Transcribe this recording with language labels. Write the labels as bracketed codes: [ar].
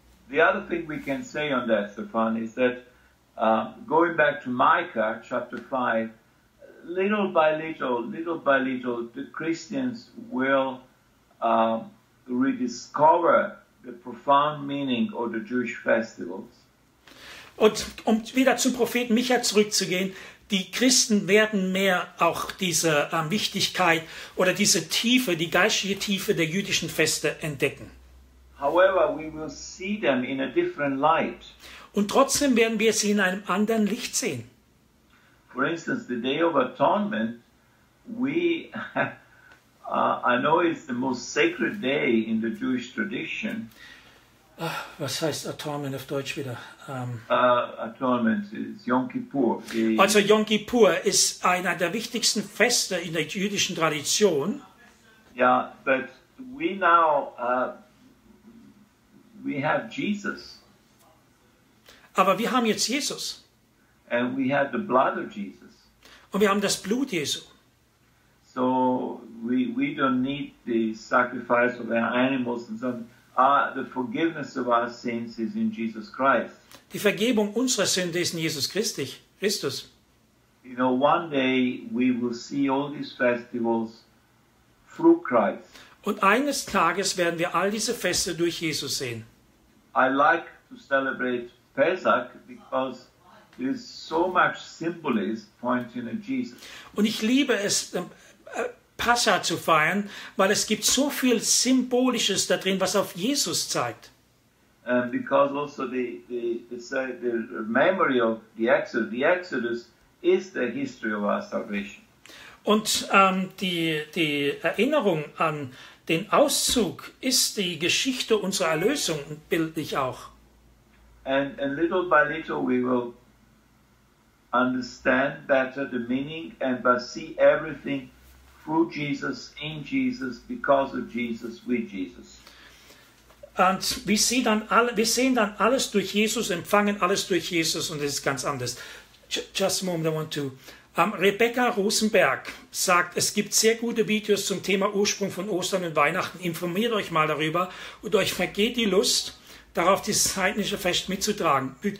[en] the other thing we can say on that, Stefan, is that going back to Micah chapter 5, little by little, the Christians will rediscover the profound meaning of the Jewish festivals. [de] Und um wieder zum Propheten Micha zurückzugehen, die Christen werden mehr auch diese Wichtigkeit oder diese Tiefe, die geistige Tiefe der jüdischen Feste entdecken. [en] However, we will see them in a different light. [de] Und trotzdem werden wir sie in einem anderen Licht sehen. [en] For instance, the Day of Atonement, I know it's the most sacred day in the Jewish tradition. [de] Was heißt Atonement auf Deutsch wieder? [en] Atonement is Yom Kippur. [de] Also Yom Kippur ist einer der wichtigsten Feste in der jüdischen Tradition. [en] Yeah, but we now we have Jesus. [de] Aber wir haben jetzt Jesus. [en] And we have the blood of Jesus. [de] Und wir haben das Blut Jesu. [en] So we don't need the sacrifice of our animals and so on. The forgiveness of our sins is in Jesus Christ. [de] Die Vergebung unserer Sünde ist in Jesus Christus. [en] You know, one day we will see all these festivals through Christ. [de] Und eines Tages werden wir all diese Feste durch Jesus sehen. [en] I like to celebrate Pesach because there's so much symbolism pointing at Jesus. [de] Und ich liebe es, Pascha zu feiern, weil es gibt so viel Symbolisches da drin, was auf Jesus zeigt. [en] Because also the memory of the Exodus is the history of our salvation. [de] Und die Erinnerung an den Auszug ist die Geschichte unserer Erlösung, bildlich auch. [en] And little by little we will understand better the meaning and see everything through Jesus, in Jesus, because of Jesus, with Jesus. [de] Und wir sehen dann alles durch Jesus, empfangen alles durch Jesus und es ist ganz anders. [en] Just a moment, I want to. [de] Rebecca Rosenberg sagt, es gibt sehr gute Videos zum Thema Ursprung von Ostern und Weihnachten. Informiert euch mal darüber und euch vergeht die Lust, darauf dieses heidnische Fest mitzutragen.